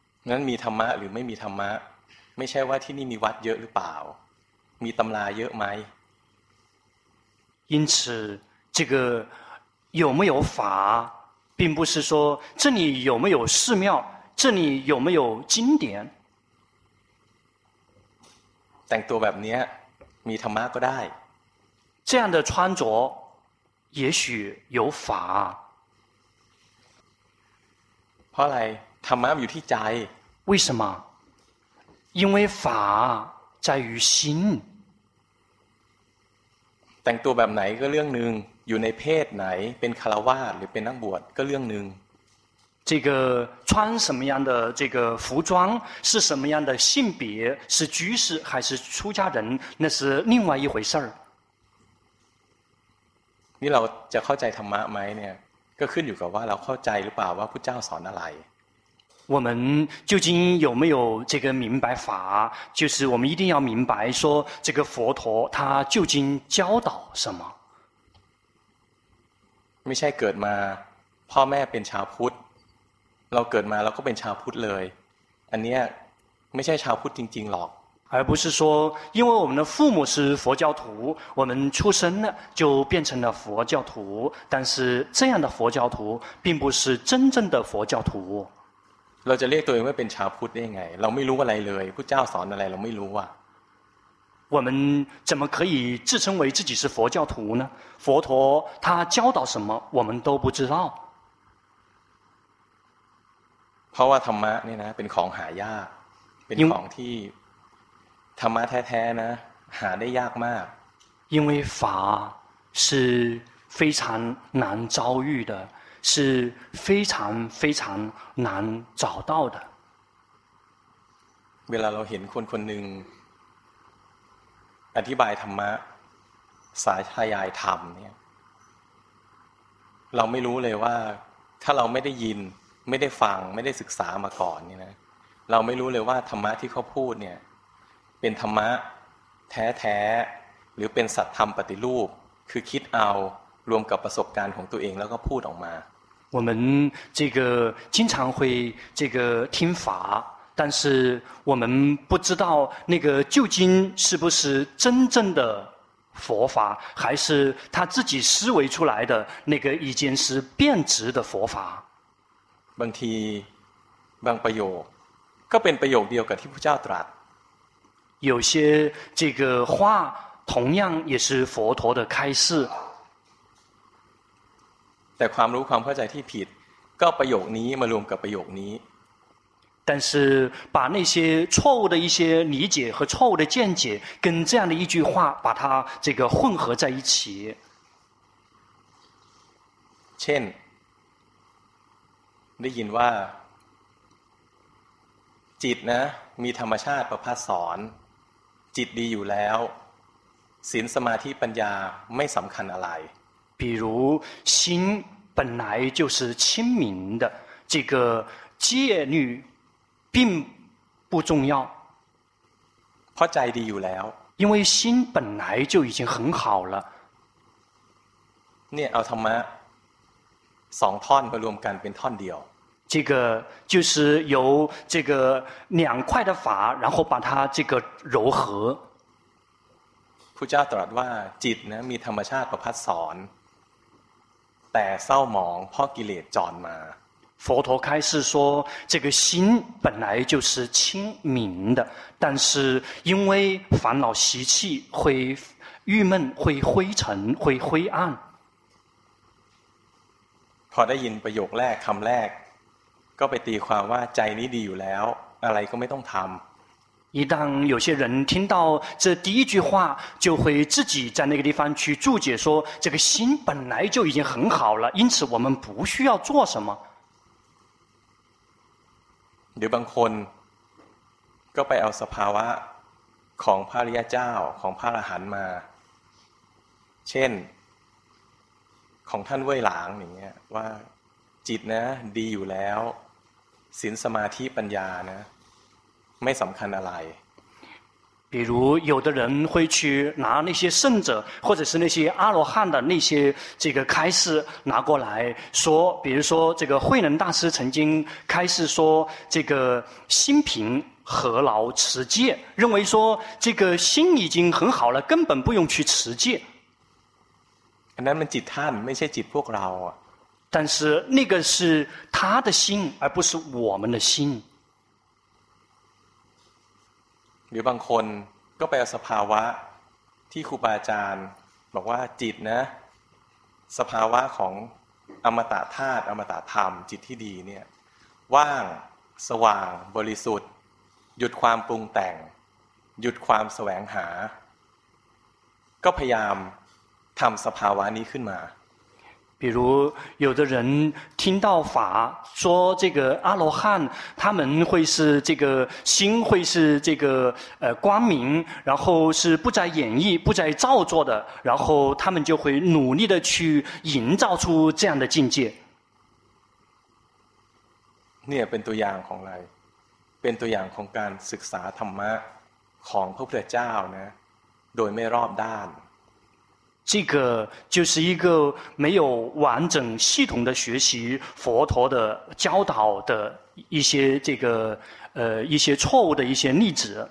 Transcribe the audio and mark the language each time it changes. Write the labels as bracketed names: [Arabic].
[Thai] นั้นมีธรรมะหรือไม่มีธรรมะไม่ใช่ว่าที่นี่มีวัดเยอะหรือเปล่ามีตำราเยอะไหม [Chinese] 因此这个有没有法并不是说这里有没有寺庙这里有没有经典 [Thai] แต่งตัวแบบนี้มีธรรมะก็ได้ [Chinese] 这样的穿着也许有法 [Thai] เพราะอะไรธรรมะอยู่ที่ใจ [Chinese] 为什么因为法在于心 [Thai] แต่งตัวแบบไหนก็เรื่องนึงอยู่ในเพศไหนเป็นคฤหัสถ์หรือเป็นนักบวชก็เรื่องนึง [Chinese] 这个穿什么样的这个服装是什么样的性别是居士还是出家人那是另外一回事儿 [Thai] นี่เราจะเข้าใจธรรมะไหมเนี่ยก็ขึ้นอยู่กับว่าเราเข้าใจหรือเปล่าว่าพุทธเจ้าสอนอะไร [Chinese] 我们究竟有没有这个明白法就是我们一定要明白说这个佛陀他究竟教导什么 [Thai] ไม่ใช่เกิดมาพ่อแม่เป็นชาวพุทธเราเกิดมาเราก็เป็นชาวพุทธเลยอันนี้ไม่ใช่ชาวพุทธจริงๆหรอก [Chinese] 而不是说因为我们的父母是佛教徒我们出生了就变成了佛教徒但是这样的佛教徒并不是真正的佛教徒 [Thai] เราจะเรียกตัวเองว่าเป็นชาวพุทธได้ยังไงเราไม่รู้อะไรเลยพุทธเจ้าสอนอะไรเราไม่รู้อ่ะ [Chinese] 我们怎么可以自称为自己是佛教徒呢佛陀他教导什么我们都不知道 [Thai] เพราะว่าธรรมะเนี่ยนะเป็นของหายากเป็นของที่ธรรมะแท้ๆนะหาได้ยากมาก [Chinese] 因为法是非常难遭遇的是非常非常难找到的 [Thai] เวลาเราเห็นคนคนหนึ่งอธิบายธรรมะสายทายายธรรมเนี่ยเราไม่รู้เลยว่าถ้าเราไม่ได้ยินไม่ได้ฟังไม่ได้ศึกษามาก่อนเนี่ยนะเราไม่รู้เลยว่าธรรมะที่เขาพูดเนี่ยเป็นธรรมะแท้ๆหรือเป็นสัจธรรมปฏิรูปคือคิดเอารวมกับประสบการณ์ของตัวเองแล้วก็พูดออกมา [Chinese] 我们这个经常会这个听法但是我们不知道那个旧经是不是真正的佛法，还是他自己思维出来的那个已经是变质的佛法。 [Thai] บางทีบางประโยคก็เป็นประโยคเดียวกับที่พระเจ้าตรัส。 [Chinese] 有些这个话同样也是佛陀的开示。 [Thai] แต่ความรู้ความเข้าใจที่ผิดก็ประโยคนี้มารวมกับประโยคนี้ [Chinese] 但是把那些错误的一些理解和错误的见解跟这样的一句话把它这个混合在一起。 [Thai] เช่นได้ยินว่าจิตนะมีธรรมชาติประพัดสอนจิตดีอยู่แล้วศีลสมาธิปัญญาไม่สำคัญอะไร [Chinese] 比如心本来就是清明的这个戒律并不重要 [Thai] เพราะใจดีอยู่แล้ว [Chinese] 因为心本来就已经很好了 [Thai] เนี่ยเอาธรรมะสองท่อนมารวมกันเป็นท่อนเดียว [Chinese] 这个就是由这个两块的法然后把它这个糅合 [Thai] พุทธเจ้าตรัสว่าจิตนะมีธรรมชาติประพัดสอนแต่เศร้าหมองเพราะกิเลสจรมา [Chinese] 佛陀开示说这个心本来就是清明的但是因为烦恼习气会郁闷会灰尘会灰暗 [Thai] พอได้ยินประโยคแรกคำแรกก็ไปตีความว่าใจนี้ดีอยู่แล้วอะไรก็ไม่ต้องทำ [Chinese] 一旦有些人听到这第一句话就会自己在那个地方去注解说这个心本来就已经很好了因此我们不需要做什么 [Thai] เดี๋ยวบางคนก็ไปเอาสภาวะของพระอริยเจ้าของพระอรหันต์มาเช่นของท่านเว่ยหลางอย่างเงี้ยว่าจิตนะดีอยู่แล้วศีลสมาธิปัญญานะไม่สำคัญอะไร [Chinese] 比如有的人会去拿那些圣者或者是那些阿罗汉的那些这个开示拿过来说比如说这个慧能大师曾经开示说这个心平何劳持戒认为说这个心已经很好了根本不用去持戒那么 [Thai] จิตท่านไม่ใช่จิตพวกเรา [Chinese] 但是那个是他的心而不是我们的心 [Thai] หรือบางคนก็ไปเอาสภาวะที่ครูบาอาจารย์บอกว่าจิตนะสภาวะของอมตะธาตุอมตะธรรมจิตที่ดีเนี่ยว่างสว่างบริสุทธิ์หยุดความปรุงแต่งหยุดความแสวงหาก็พยายามทำสภาวะนี้ขึ้นมา [Chinese] 比如有的人听到法说这个阿罗汉他们会是这个心会是这个光明然后是不再演绎不再造作的然后他们就会努力的去营造出这样的境界 [Thai] เนี่ยเป็นตัวอย่างของอะไรเป็นตัวอย่างของการศึกษาธรรมะของพระพุทธเจ้านะโดยไม่รอบด้าน [Chinese] 这个就是一个没有完整系统的学习佛陀的教导的一些这个一些错误的一些例子。